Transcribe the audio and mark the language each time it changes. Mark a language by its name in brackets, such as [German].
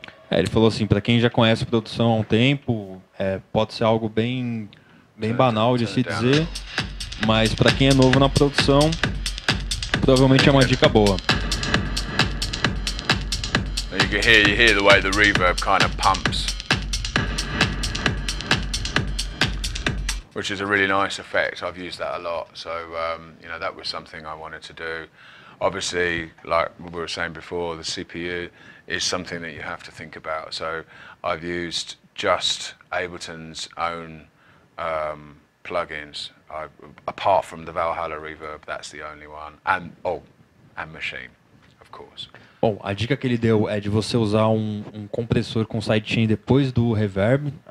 [Portuguese] Ele falou assim, para quem já conhece produção há um tempo, pode ser algo bem banal de se dizer, mas para quem é novo na produção, provavelmente é uma dica boa. [English] You hear the way the reverb kind of pumps. Which is a really nice effect. I've used that a lot, so you know, that was something I wanted to do. Obviously, like we were saying before, the CPU is something that you have to think about. So I've used just Ableton's own plugins, apart from the Valhalla reverb. That's the only one, and Machine, of course. [Portuguese] Bom, a dica que ele deu é de você usar um compressor com sidechain depois do reverb.